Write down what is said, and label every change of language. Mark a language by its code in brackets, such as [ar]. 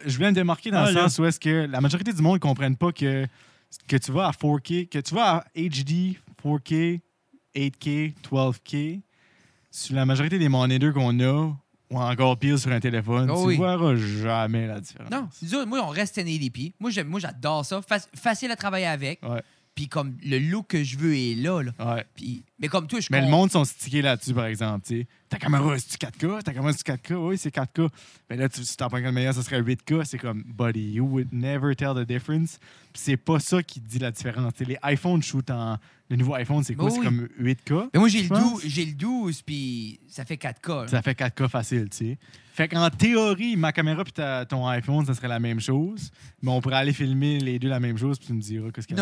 [fr] Je voulais me démarquer dans le sens où est-ce que la majorité du monde ne comprenne pas que tu vas à 4K, que tu vas à HD, 4K, 8K, 12K, sur la majorité des monitors qu'on a, ou encore pire sur un téléphone, tu ne verras jamais la différence. Non, moi, on reste 1080p. Moi, j'adore ça. Facile à travailler avec. Ouais. Puis comme le look que je veux est là. Ouais. Puis, mais comme toi, je Mais le monde sont stickés là-dessus, par exemple, t'sais. Ta caméra, c'est-tu 4K? Ta caméra, c'est-tu 4K? Oui, c'est 4K. Mais là, tu t'en prends le meilleur, ça serait 8K. [en] C'est comme, buddy, you would never tell the difference. [fr] Puis c'est pas ça qui dit la différence. T'sais, les iPhones shoot en... Le nouveau iPhone, c'est quoi? Oui. C'est comme 8K? Mais moi, j'ai le 12, puis ça fait 4K. Là. Ça fait 4K facile, tu sais. Fait qu'en théorie, ma caméra puis ton iPhone, ça serait la même chose. Mais on pourrait aller filmer les deux la même chose, puis tu me diras qu'est-ce qu'il y a.